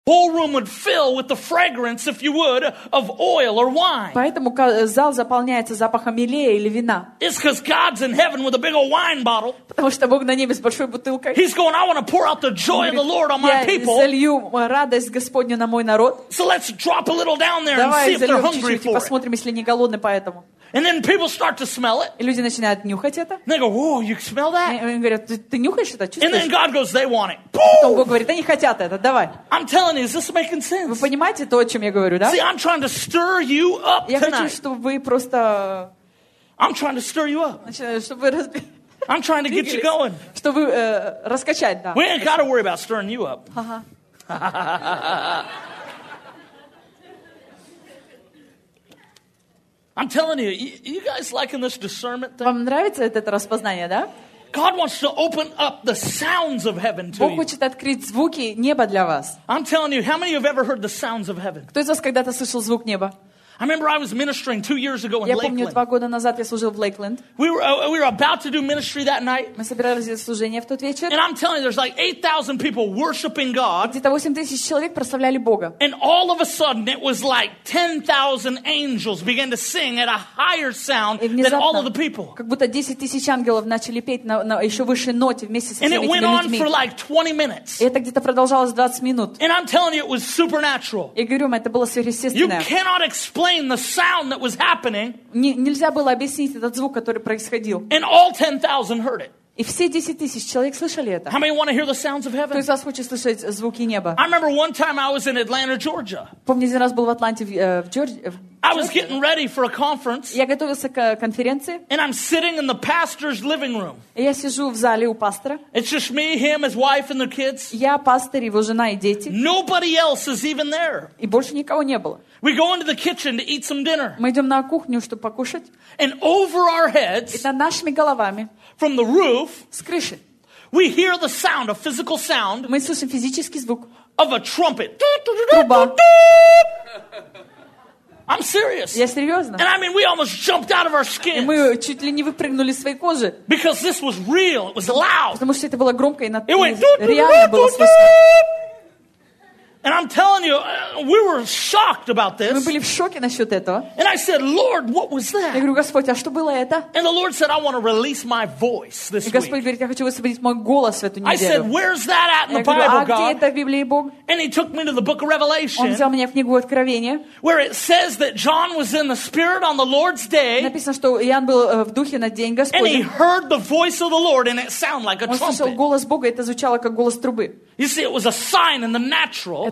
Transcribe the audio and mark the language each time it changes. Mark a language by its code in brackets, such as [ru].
[en] Ballroom would fill with the fragrance, if you would, of oil or wine. [ru] Поэтому зал заполняется запахом елея или вина. [en] It's because God's in heaven with a big old wine bottle. [ru] Потому что Бог на небе с большой бутылкой. [en] He's going, I want to pour out the joy of the Lord on my people. [ru] Я залью радость Господню на мой народ. [en] So let's drop a little down there and see if they're hungry for it. [ru] Давай посмотрим, если они голодны по этому. [en] And then people start to smell it. [ru] И люди начинают нюхать это. [en] They go, whoa, you smell that? [ru] Они говорят, ты нюхаешь это, чувствуешь? [en] And then God goes, they want it. [ru] Потом Бог говорит, они хотят это, давай. [en] I'm telling you, is this making sense? [ru] Вы понимаете то, о чем я говорю, да? [en] See, I'm trying to stir you up tonight. [ru] Я хочу, чтобы вы просто... [en] I'm trying to stir you up. I'm trying to get you going. [ru] Чтобы раскачать, да. [en] We ain't got to worry about stirring you up. [ru] Ага. [en] I'm telling you, you guys liking this discernment thing? [ru] Вам нравится это распознание, да? [en] God wants to open up the sounds of heaven to you. [ru] Бог хочет открыть звуки неба для вас. [en] I'm telling you, how many of you have ever heard the sounds of heaven? [ru] Кто из вас когда-то слышал звук неба? [en] I remember I was ministering 2 years ago in [ru] Я помню, 2 года назад я служил в Лейкленд. [en] We were about to do ministry that night. [ru] Мы собирались для служения в тот вечер. [en] And I'm telling you, there's like 8,000 people worshiping God. [ru] Где-то 8,000 человек прославляли Бога. [en] And all of a sudden, it was like 10,000 angels began to sing at a higher sound than all of the people. [ru] Как будто 10,000 ангелов начали петь на еще высшей ноте вместе со всеми людьми. [en] And it went on for like 20 minutes. [ru] И это где-то продолжалось 20 минут. [en] And I'm telling you, it was supernatural. [ru] Я говорю вам, это было сверхъестественное. [en] You cannot explain the sound that was happening. [ru] Нельзя было объяснить этот звук, который происходил. [en] And all 10,000 heard it. [ru] И все 10,000 человек слышали это. [en] How many want to hear the sounds of heaven? [ru] Кто из вас хочет слышать звуки неба? [en] I remember one time I was in Atlanta, Georgia. [ru] Помню, один раз был в Атланте, в Джорджии. [en] I was getting ready for a conference. [ru] Я готовился к конференции. [en] And I'm sitting in the pastor's living room. [ru] Я сижу в зале у пастора. [en] It's just me, him, his wife, and their kids. [ru] Я пастор, его жена и дети. [en] Nobody else is even there. [ru] И больше никого не было. [en] We go into the kitchen to eat some dinner. [ru] Мы идем на кухню, чтобы покушать. [en] And over our heads. [ru] И над нашими головами. [en] From the roof. [ru] С крыши. [en] We hear the sound, a physical sound. [ru] Мы слышим физический звук. [en] Of a trumpet. [ru] Труба. [en] I'm serious. [ru] Я серьезно. [en] And I mean, we almost jumped out of our skins. [ru] И мы чуть ли не выпрыгнули из своей кожи. [en] Because this was real. It was loud. [ru] Потому что это было громко и [en] It went, [ru] реально было слышно. [en] And I'm telling you, we were shocked about this. [ru] Мы были в шоке насчет этого. [en] And I said, Lord, what was that? [ru] Я говорю, Господь, а что было это? [en] And the Lord said, I want to release my voice this week. [ru] И Господь говорит, я хочу высвободить мой голос в эту неделю. [en] I said, where's that at in the Bible, God? [ru] Я говорю, а где это в Библии, Бог? [en] And he took me to the book of Revelation. [ru] Он взял меня в книгу Откровения. [en] Where it says that John was in the Spirit on the Lord's day. [ru] Написано, что Иоанн был в духе на день Господень. [en] And he heard the voice of the Lord, and it sounded like a trumpet. [ru] Он слышал голос Бога, это звучало как голос трубы. [en] You see, it was a sign in the natural.